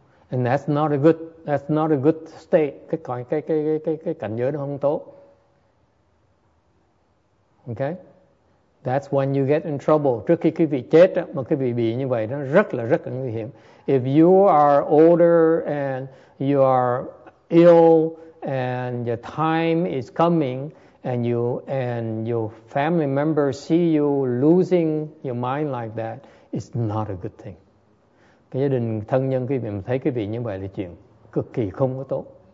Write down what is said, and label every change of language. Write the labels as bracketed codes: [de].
[en] And that's not a good state. [vi] Cái cảnh giới nó không tốt. Okay? [en] That's when you get in trouble. [vi] Trước khi quý vị chết mà quý vị bị như vậy nó rất là nguy hiểm. [en] If you are older and you are ill and your time is coming, and you and your family members see you losing your mind like that, it's not a good thing. [vi] Cái gia đình thân nhân quý vị thấy quý vị như vậy là chuyện cực kỳ không có tốt.